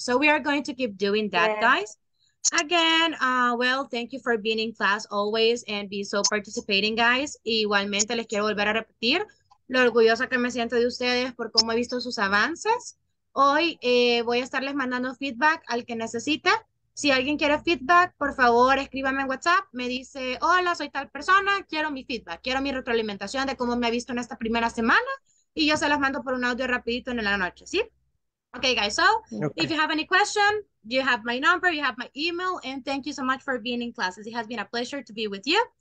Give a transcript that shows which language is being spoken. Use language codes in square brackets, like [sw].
[en] So we are going to keep doing that, guys. Again, well, thank you for being in class always and be so participating, guys. [es] Igualmente, les quiero volver a repetir lo orgullosa que me siento de ustedes por cómo he visto sus avances. Hoy voy a estarles mandando feedback al que necesite. Si alguien quiere feedback, por favor, escríbame en WhatsApp. Me dice, hola, soy tal persona, quiero mi feedback, quiero mi retroalimentación de cómo me ha visto en esta primera semana. Y yo se las mando por un audio rapidito en la noche, ¿sí? [en] Okay, guys, so okay. If you have any question, you have my number, you have my email, and thank you so much for being in classes. It has been a pleasure to be with you.